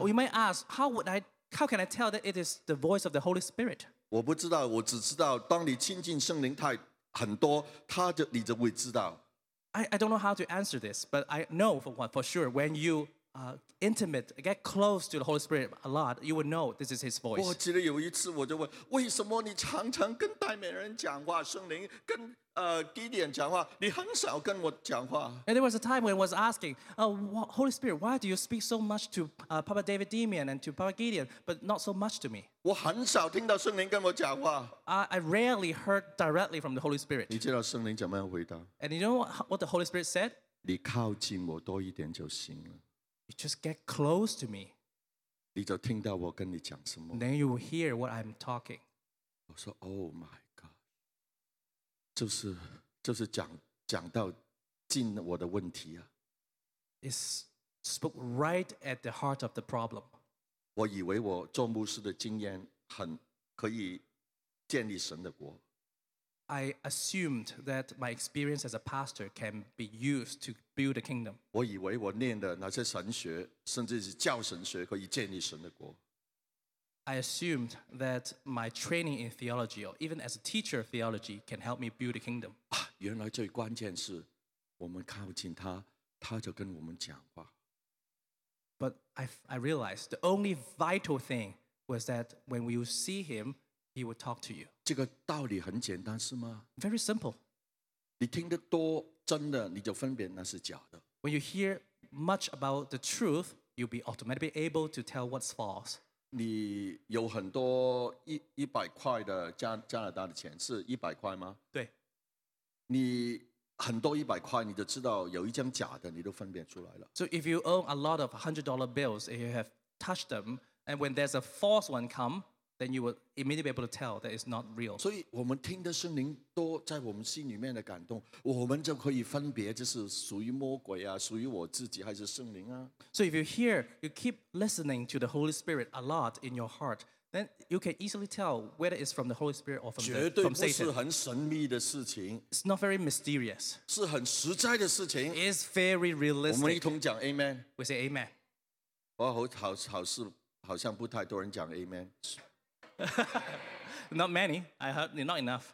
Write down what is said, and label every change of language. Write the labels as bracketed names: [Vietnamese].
[English] You might ask, how can I tell that it is the voice of the Holy Spirit? [Chinese] 我不知道，我只知道当你亲近圣灵太很多，他就你就会知道。 [English] I don't know how to answer this, but I know for sure when you. Intimate, get close to the Holy Spirit a lot, you will know this is His voice. [Chinese] 我记得有一次我就问，为什么你常常跟代美人讲话，圣灵跟Gideon 讲话，你很少跟我讲话。 [English] And there was a time when I was asking, Holy Spirit, why do you speak so much to Papa David Demian and to Papa Gideon, but not so much to me? [Chinese] 我很少听到圣灵跟我讲话。 [English] I rarely heard directly from the Holy Spirit. [Chinese] 你知道圣灵怎么样回答？ [English] And you know what the Holy Spirit said? [Chinese] 你靠近我多一点就行了。 [English] You just get close to me. [Chinese] 你就听到我跟你讲什么。 [English] Then you will hear what I'm talking. [Chinese] 我说 ， [English] Oh my God， [Chinese] 就是讲到进我的问题啊。 [English] It's spoke right at the heart of the problem. [Chinese] 我以为我做牧师的经验很可以建立神的国。 [English] I assumed that my experience as a pastor can be used to build a kingdom. [Chinese] 我以为我念的那些神学，甚至是教神学，可以建立神的国。 [English] I assumed that my training in theology, or even as a teacher of theology, can help me build a kingdom. [Chinese] 啊，原来最关键是我们靠近他，他就跟我们讲话。 [English] But I realized the only vital thing was that when we see him, he would talk to you. [Chinese] 这个道理很简单，是吗 [English] ？Very simple. [Chinese] 你听得多真的，你就分辨那是假的。 [English] When you hear much about the truth, you'll be automatically able to tell what's false. [Chinese] 你有很多一百块的加拿大的钱，是一百块吗？对。你很多一百块，你就知道有一张假的，你都分辨出来了。 [English] So if you own a lot of $100 bills, if you have touched them, and when there's a false one come. Then you will immediately be able to tell that it's not real. [Chinese] 所以我们听的圣灵多在我们心里面的感动，我们就可以分别这是属于魔鬼啊，属于我自己还是圣灵啊。 [English] So if you hear, you keep listening to the Holy Spirit a lot in your heart, then you can easily tell whether it's from the Holy Spirit or from Satan. [Chinese] 绝对不是很神秘的事情。 [English] It's not very mysterious. [Chinese] 是很实在的事情。 [English] It's very realistic. [Chinese] 我们一同讲Amen。 [English] We say Amen. [Chinese] 好像不太多人讲Amen。 [English] Not many. I heard not enough.